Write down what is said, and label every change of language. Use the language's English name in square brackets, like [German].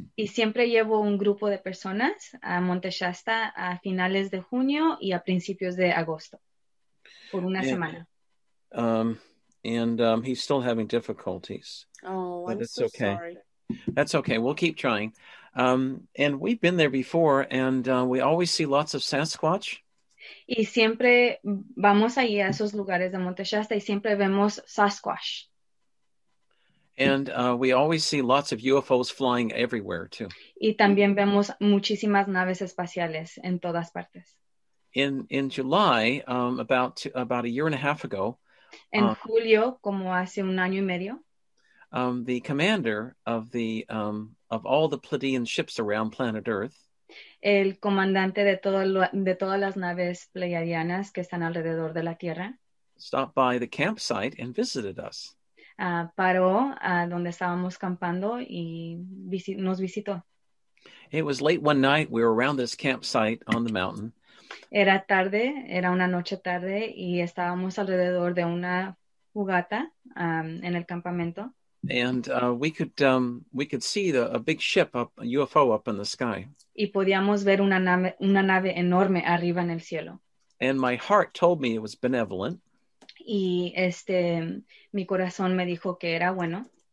[Spanish] Y siempre llevo un grupo de personas a Monte Shasta a finales de junio y a principios de agosto por una semana. [English] And he's still having difficulties. Oh, but I'm it's so okay. Sorry. That's okay. We'll keep trying. And we've been there before, and we always see lots of Sasquatch. [Spanish] Y siempre vamos allí a esos lugares de Monte Shasta y siempre vemos Sasquatch. [English] And we always see lots of UFOs flying everywhere, too. [Spanish] Y también vemos muchísimas naves espaciales en todas partes. [English] In July, about a year and a half ago. [Spanish] En julio, como hace un año y medio. [English] The commander of the of all the Pleiadian ships around planet Earth. [Spanish] El comandante de todas las naves pleiadianas que están alrededor de la Tierra. [English] Stopped by the campsite and visited us. [Spanish] Paró donde estábamos campando y nos visitó. [English] It was late one night. We were around this campsite on the mountain. [Spanish] Era tarde. Era una noche tarde y estábamos alrededor de una fogata en el campamento. [English] And we could see a big ship up, a UFO up in the sky. [Spanish] Y podíamos ver una nave enorme arriba en el cielo. [English] And my heart told me it was benevolent. [Spanish] Y mi corazón me dijo que era bueno.